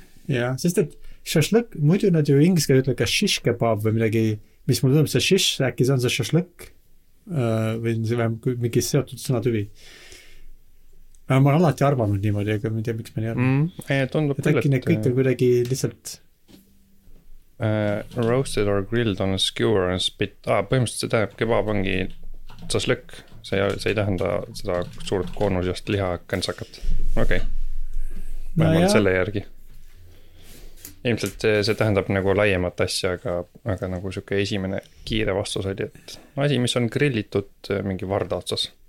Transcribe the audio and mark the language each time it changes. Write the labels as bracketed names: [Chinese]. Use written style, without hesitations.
[Estonian] Jah, sest et šaslõk, muidu nad ju ingliskega ütle ka shish kebaab või midagi, mis mul tõenud, see shish äkki see on see šaslõk või see vähem mingi seotud sõnatüvi. Ma olen alati arvanud niimoodi, aga ma ei tea, miks ma ei arvanud. Ei, tundub küll, et... Äkki need kõik on kuidagi lihtsalt... [English] Roasted or grilled on a skewer and spit... [Estonian] põhimõtteliselt see tähendab kebab ongi šaslõk. See ei tähenda seda suurt koonusjast liha kõnsakat. Okei. Okay. Vähemalt selle järgi. Ilmselt see tähendab nagu laiemat asja, aga nagu selline esimene kiire vastus oli, et asi, mis on grillitud mingi vardaotsas.